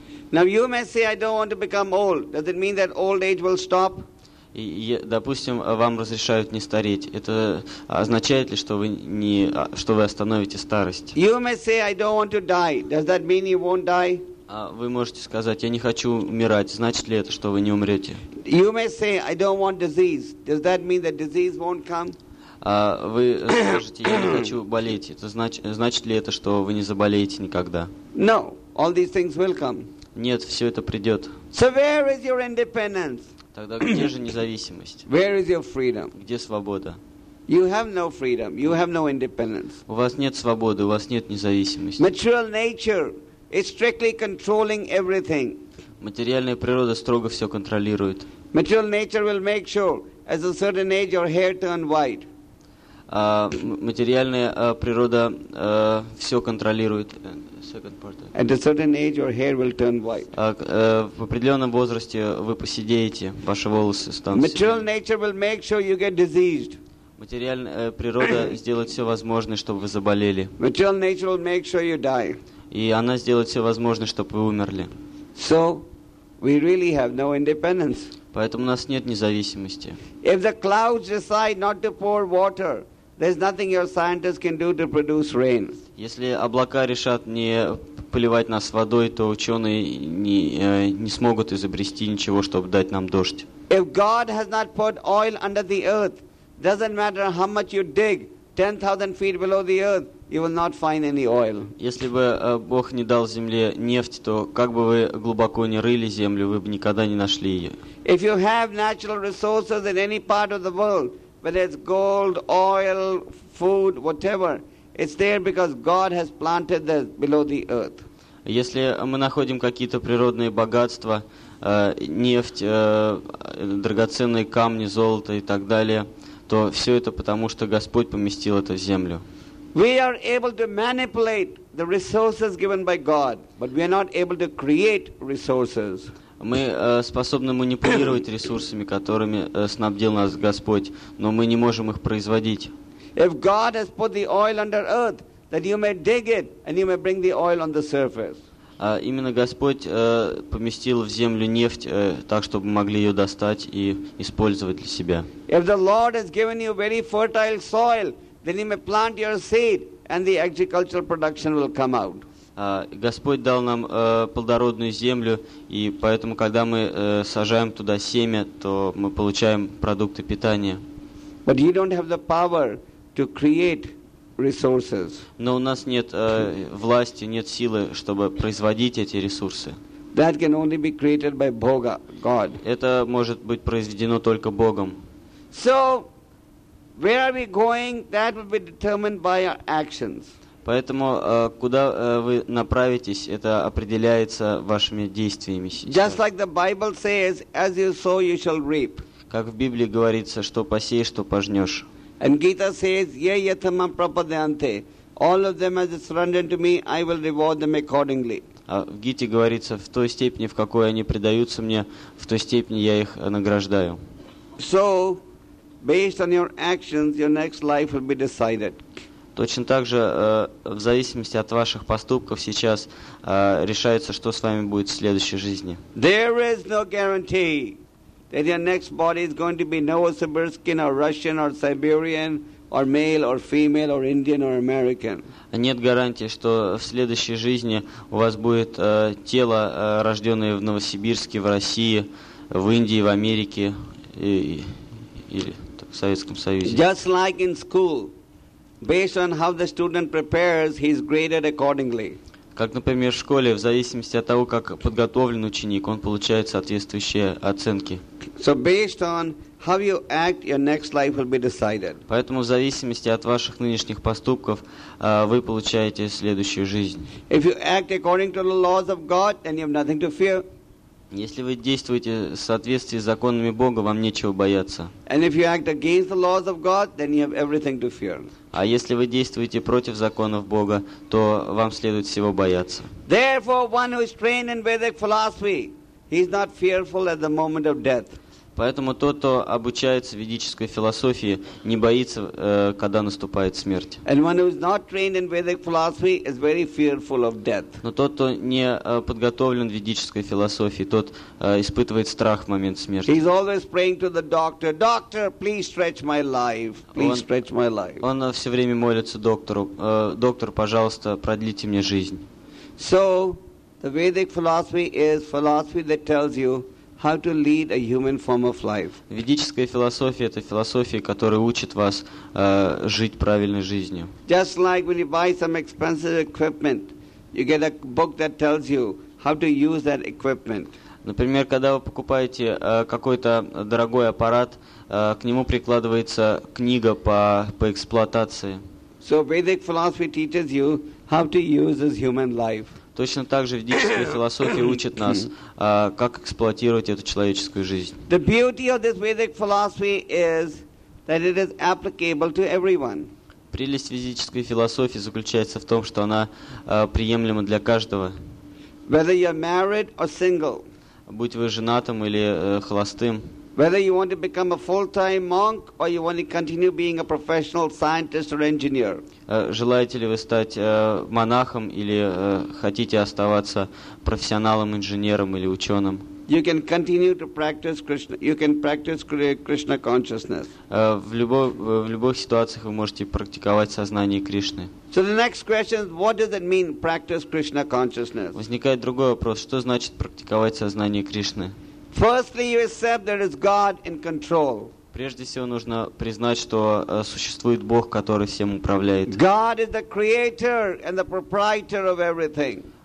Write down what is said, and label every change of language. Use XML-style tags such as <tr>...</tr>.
<en>Now you may say, I don't want to become old. Does it mean that old age will stop?</en> <ru>Допустим, вам разрешают не стареть. Это означает ли, что вы остановите старость?</ru> <en>You may say, I don't want to die. Does that mean you won't die?</en> <ru>Вы можете сказать, я не хочу умирать. Значит ли это, что вы не умрете?</ru> <en>You may say, I don't want disease. Does that mean that disease won't come?</en> <ru>Вы скажете, я не хочу болеть. Это значит ли это, что вы не заболеете никогда?</ru> <en>No, all these things will come.</en> <ru>Нет, все это придет.</ru> <en>So where is your independence?</en> <ru>Тогда где же независимость?</ru> <en>Where is your freedom?</en> <ru>Где свобода?</ru> <en>You have no freedom, you have no independence.</en> <ru>У вас нет свободы, у вас нет независимости.</ru> <en>Material nature is strictly controlling everything.</en> <ru>Материальная природа строго все контролирует.</ru> <en>Material nature will make sure as a certain age your hair turn white.</en> <ru>Материальная природа все контролирует.</ru> <en>At a certain age your hair will turn white.</en> <ru>В определенном возрасте вы поседеете, ваши волосы станут.</ru> <en>Material nature will make sure you get diseased.</en> <ru>Материальная природа сделает все возможное, чтобы вы заболели.</ru> <en>Material nature will make sure you die.</en> <ru>И она сделает все возможное, чтобы вы умерли.</ru> <en>So we really have no independence.</en> <ru>Поэтому у нас нет независимости.</ru> <en>If the clouds decide not to pour water, there's nothing your scientists can do to produce rain.</en> <ru>Если облака решат не поливать нас водой, то ученые не смогут изобрести ничего, чтобы дать нам дождь.</ru> <en>If God has not put oil under the earth, Doesn't matter how much you dig, 10,000 feet below the earth, you will not find any oil.</en> <ru>Если бы Бог не дал земле нефть, то как бы вы глубоко не рыли землю, вы бы никогда не нашли ее.</ru> <en>If you have natural resources in any part of the world, whether it's gold, oil, food, whatever, it's there because God has planted this below the earth.</en> <ru>Если мы находим какие-то природные богатства, нефть, драгоценные камни, золото и так далее, то все это потому, что Господь поместил это в землю.</ru> <en>We are able to manipulate the resources given by God, but we are not able to create resources.</en> <ru>Мы способны манипулировать ресурсами, которыми снабдил нас Господь, но мы не можем их производить.</ru> <en>If God has put the oil under earth, that you may dig it and you may bring the oil on the surface.</en> <ru>Именно Господь поместил в землю нефть так, чтобы могли ее достать и использовать для себя.</ru> <en>If the Lord has given you very fertile soil, then you may plant your seed and the agricultural production will come out.</en> <ru>Господь дал нам плодородную землю, и поэтому, когда мы сажаем туда семя, то мы получаем продукты питания.</ru> <en>But you don't have the power to create resources.</en> <ru>Но у нас нет власти, нет силы, чтобы производить эти ресурсы.</ru> <en>That can only be created by Boga, God.</en> <ru>Это может быть произведено только Богом.</ru> <en>So, where are we going? That will be determined by our actions.</en> <ru>Поэтому куда вы направитесь, это определяется вашими действиями.</ru> <en>Just like the Bible says, as you sow, you shall reap.</en> <ru>Как в Библии говорится, что посеешь, то пожнешь.</ru> <en>And Gita says,</en> <sa>"Ye yathamam prapadyante,</sa> <en>all of them as it's run into me, I will reward them accordingly."</en> <ru>В Гите говорится, в той степени, в какой они предаются мне, в той степени я их награждаю.</ru> <en>So, based on your actions, your next life will be decided.</en> <ru>Точно так же, в зависимости от ваших поступков сейчас решается, что с вами будет в следующей жизни.</ru> <en>There is no guarantee that your next body is going to be Novosibirskian or Russian or Siberian or male or female or Indian or American.</en> <ru>Нет гарантии, что в следующей жизни у вас будет тело, рожденное в Новосибирске, в России, в Индии, в Америке или в Советском Союзе.</ru> <en>Just like in school, based on how the student prepares, he is graded accordingly.</en> <ru>Как, например, в школе, в зависимости от того, как подготовлен ученик, он получает соответствующие оценки.</ru> <en>So based on how you act, your next life will be decided.</en> <ru>Поэтому в зависимости от ваших нынешних поступков, вы получаете следующую жизнь.</ru> <en>If you act according to the laws of God, then you have nothing to fear.</en> <ru>Если вы действуете в соответствии с законами Бога, вам нечего бояться.</ru> <en>And if you act against the laws of God, then you have everything to fear.</en> <ru>А если вы действуете против законов Бога, то вам следует всего бояться.</ru> <en>Therefore, one who is trained in Vedic philosophy, he is not fearful at the moment of death.</en> <ru>Поэтому тот, кто обучается ведической философии, не боится, когда наступает смерть.</ru> <en>And one who is not trained in Vedic philosophy is very fearful of death.</en> <ru>Но тот, кто не подготовлен ведической философии, тот испытывает страх в момент смерти.</ru> <en>He is always praying to the doctor, "Doctor, please stretch my life, please stretch my life."</en> <ru>Он все время молится доктору, доктор, пожалуйста, продлите мне жизнь.</ru> <en>So, the Vedic philosophy is philosophy that tells you how to lead a human form of life.</en> <ru>Ведическая философия — это философия, которая учит вас жить правильной жизнью.</ru> <en>Just like when you buy some expensive equipment, you get a book that tells you how to use that equipment.</en> <ru>Например, когда вы покупаете какой-то дорогой аппарат, к нему прикладывается книга по эксплуатации.</ru> <en>So Vedic philosophy teaches you how to use this human life.</en> <ru>Точно так же ведическая философия учит нас, как эксплуатировать эту человеческую жизнь.</ru> <en>The beauty of this Vedic philosophy is that it is applicable to everyone.</en> <ru>Прелесть ведической философии заключается в том, что она приемлема для каждого.</ru> <en>Whether you're married or single.</en> <ru>Будь вы женатым или холостым.</ru> <en>Whether you want to become a full-time monk or you want to continue being a professional scientist or engineer.</en> <ru>Желаете ли вы стать монахом или хотите оставаться профессионалом, инженером или ученым?</ru> <en>You can continue to practice Krishna. You can practice Krishna consciousness.</en> <ru>В любых ситуациях вы можете практиковать сознание Кришны.</ru> <en>So the next question is, what does it mean practice Krishna consciousness?</en> <ru>Возникает другой вопрос: что значит практиковать сознание Кришны?</ru> <en>Firstly, you accept there is God in control.</en> <ru>Прежде всего нужно признать, что существует Бог, который всем управляет.</ru> <en>God is the creator and the proprietor of everything.</en>